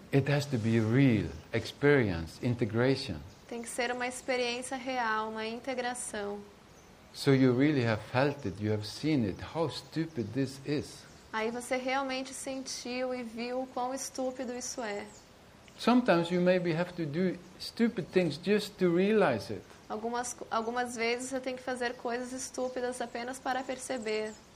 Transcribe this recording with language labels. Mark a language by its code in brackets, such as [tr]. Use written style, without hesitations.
[en] It has to be real experience, integration. [pt] Tem que ser uma experiência real, uma integração. [en] So you really have felt it, you have seen it, how stupid this is. [pt] Aí você realmente sentiu e viu quão estúpido isso é. [en] Sometimes you maybe have to do stupid things just to realize it. [pt] Algumas vezes você tem que fazer coisas estúpidas apenas para perceber.